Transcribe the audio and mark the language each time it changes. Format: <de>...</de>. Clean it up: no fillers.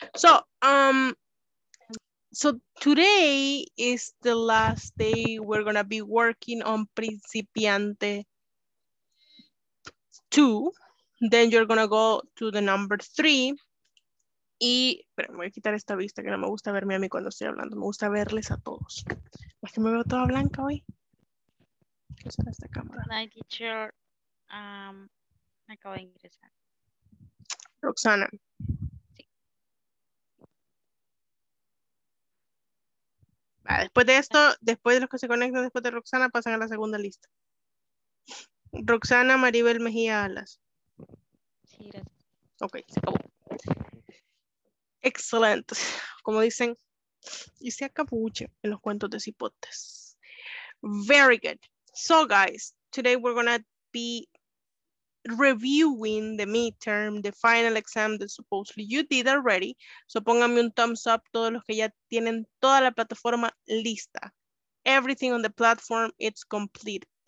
<en>So, so today is the last day we're gonna be working on Principiante 2. Then you're gonna go to the number 3.</en> <es>Y, pero me voy a quitar esta vista que no me gusta verme a mí cuando estoy hablando. Me gusta verles a todos. Es que me veo toda blanca hoy. ¿Qué será esta cámara?</es> <en>My teacher,</en> <es>acabo de ingresar. Roxana. Después de esto, después de los que se conectan después de Roxana, pasan a la segunda lista. Roxana Maribel Mejía Alas. Sí, gracias. Ok, se acabó. Excelente. Como dicen, y se acabuche en los cuentos de cipotes.</es> <en>Very good. So, guys, today we're going to be reviewing the midterm, the final exam that supposedly you did already.</en> <es>So pónganme un thumbs up todos los que ya tienen toda la plataforma lista.</es> <en>Everything on the platform, it's completed.</en>